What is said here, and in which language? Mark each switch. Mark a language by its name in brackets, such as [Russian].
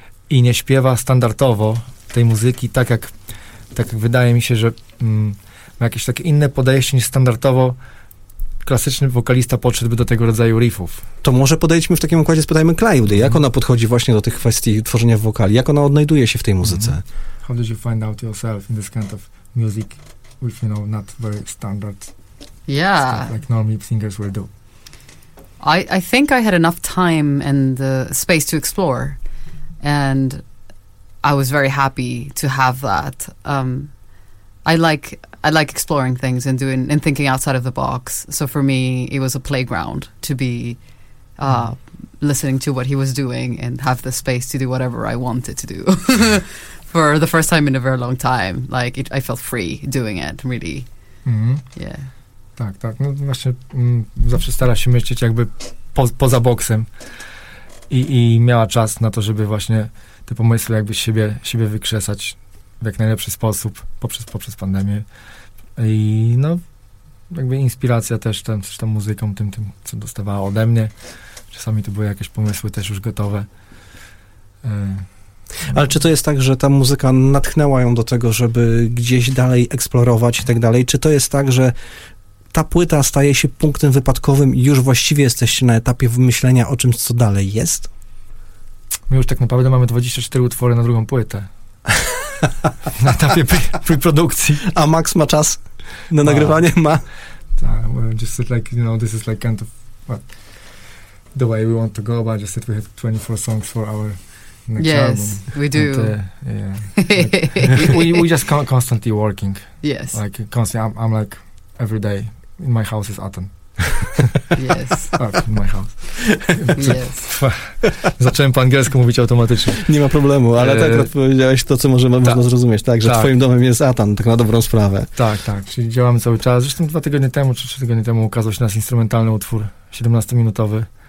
[Polish] I nie śpiewa standardowo tej muzyki, tak jak wydaje mi się, że ma jakieś takie inne podejście niż standardowo klasyczny wokalista podszedłby do tego rodzaju riffów. To może podejdźmy w takim układzie, spytajmy Klaudię, jak ona podchodzi właśnie do tych kwestii tworzenia wokali, jak ona odnajduje się w tej muzyce? Mm-hmm. [English] How did you find out yourself in this kind of music with, you know, not very standard stuff like normal singers will do? I think I had enough time and the space to explore, and I was very happy to have that. I like exploring things and doing and thinking outside of the box. So for me, it was a playground to be listening to what he was doing and have the space to do whatever I wanted to do for the first time in a very long time. Like I felt free doing it, really. Mm-hmm. Yeah. [Polish] Tak, tak. No właśnie zawsze stara się myśleć jakby poza boksem i miała czas na to, żeby właśnie te pomysły jakby siebie wykrzesać w jak najlepszy sposób poprzez pandemię. I no, jakby inspiracja też tam, coś tam muzyką, tym, co dostawała ode mnie. Czasami to były jakieś pomysły też już gotowe. Ale czy to jest tak, że ta muzyka natchnęła ją do tego, żeby gdzieś dalej eksplorować i tak dalej? Czy to jest tak, że ta płyta staje się punktem wypadkowym i już właściwie jesteście na etapie wymyślenia o czymś, co dalej jest? My już tak naprawdę mamy 24 utwory na drugą płytę. Na etapie preprodukcji. A Max ma czas na nagrywanie? Ma. Tak, [English] just like, you know, this is like kind of what, the way we want to go, but just that we have 24 songs for our next yes, album. Yes, we do. And, we just constantly working. Yes. Like, constantly, I'm like, every day, in my house is Aten. Yes. Oh, my house. Yes. [Polish] Zacząłem po angielsku mówić automatycznie. Nie ma problemu, ale tak odpowiedziałeś to, co można zrozumieć, tak? Że twoim domem jest Atan, tak na dobrą sprawę. Tak, tak. Czyli działamy cały czas. Zresztą dwa tygodnie temu, czy trzy tygodnie temu ukazał się nasz instrumentalny utwór, 17-minutowy.